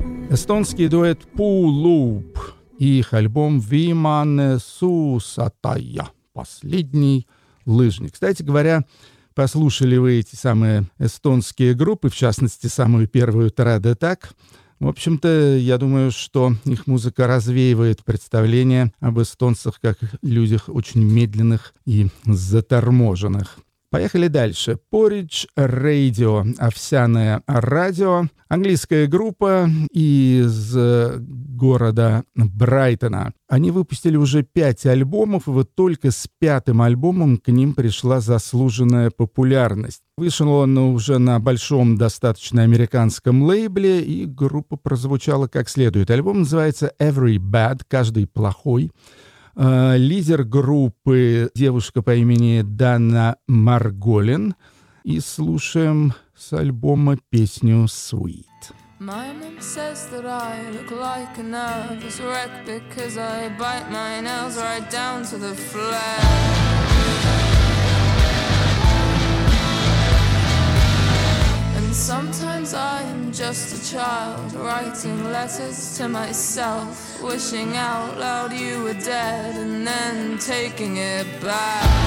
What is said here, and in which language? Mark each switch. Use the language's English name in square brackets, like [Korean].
[Ukrainian] естонський дует Пулуп і їх альбом «Вімане Сусатая» – «Послідній лижник». [Russian] Кстати говоря, послушали вы эти самые эстонские группы, в частности, самую первую «Трэдэтак», в общем-то, я думаю, что их музыка развеивает представление об эстонцах как людях очень медленных и заторможенных. Поехали дальше. Porridge Radio, овсяное радио, английская группа из города Брайтона. Они выпустили уже 5 альбомов, и вот только с 5-м альбомом к ним пришла заслуженная популярность. Вышел он уже на большом, достаточно американском лейбле, и группа прозвучала как следует. Альбом называется «Every Bad», «Каждый плохой». Лидер группы — девушка по имени Дана Марголин. И слушаем с альбома песню «Sweet». [English] My mom says that I look like a nervous wreck because I bite my nails right down to the flesh. And sometimes I am just a child writing letters to myself, wishing out loud you were dead and then taking it back.